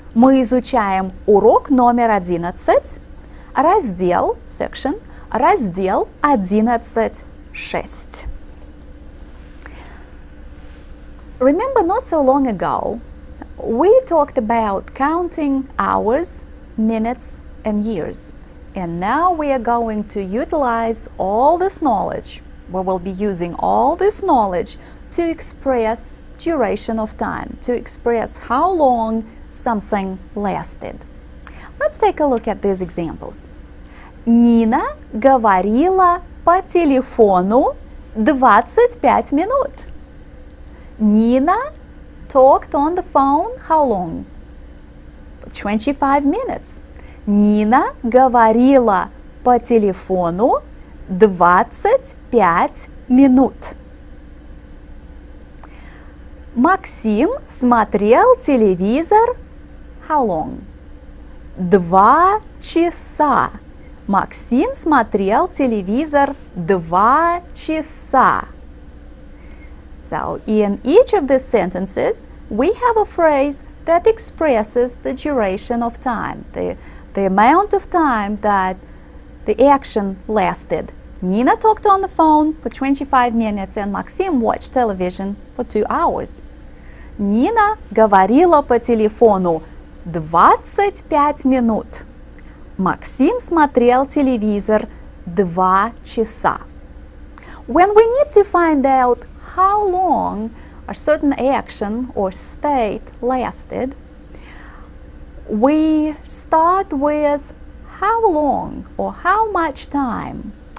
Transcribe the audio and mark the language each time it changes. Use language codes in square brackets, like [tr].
[ru] Мы изучаем урок номер 11, раздел, section, раздел 11.6. [en] Remember, not so long ago, we talked about counting hours, minutes, and years. And now we are going to utilize all this knowledge. We will be using all this knowledge to express duration of time, to express how long something lasted. Let's take a look at these examples. [ru] Нина говорила по телефону 25 минут. [en] Нина talked on the phone how long? 25 minutes. [ru] Нина говорила по телефону 25 минут. Максим смотрел телевизор [en] how long? [ru] 2 часа. Максим смотрел телевизор 2 часа. [en] So in each of these sentences, we have a phrase that expresses the duration of time. The amount of time that the action lasted. Nina talked on the phone for 25 minutes and Maxim watched television for 2 hours. [ru] Nina говорила по телефону 25 минут. Maxim смотрел телевизор 2 часа. [en] When we need to find out how long a certain action or state lasted, we start with how long or how much time.